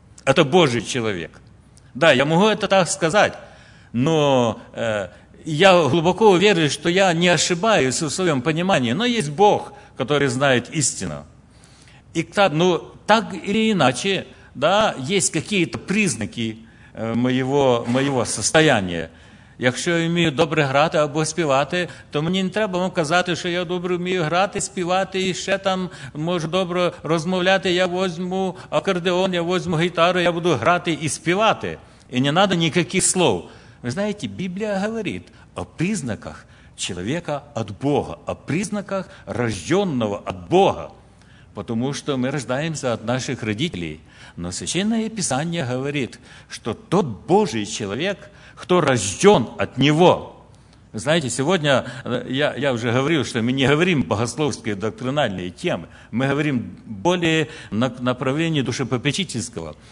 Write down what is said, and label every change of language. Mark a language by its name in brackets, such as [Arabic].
[Russian] Это Божий человек. Да, я могу это так сказать, но я глубоко уверен, что я не ошибаюсь в своем понимании, но есть Бог, который знает истину. И так или иначе, да, есть какие-то признаки моего состояния. [Ukrainian] Якщо я вмію добре грати або співати, то мені не треба вам казати, що я добре вмію грати, співати, і ще там можу добре розмовляти. Я візьму акордеон, я візьму гітару, я буду грати і співати. І не треба ніяких слов. Ви знаєте, Біблія говорить о признаках чоловіка від Бога, о признаках рожденного від Бога. [Russian] Потому что мы рождаемся от наших родителей. Но Священное Писание говорит, что тот Божий человек, кто рожден от Него. Знаете, сегодня я уже говорил, что мы не говорим богословские доктринальные темы. Мы говорим более на направлении душепопечительского.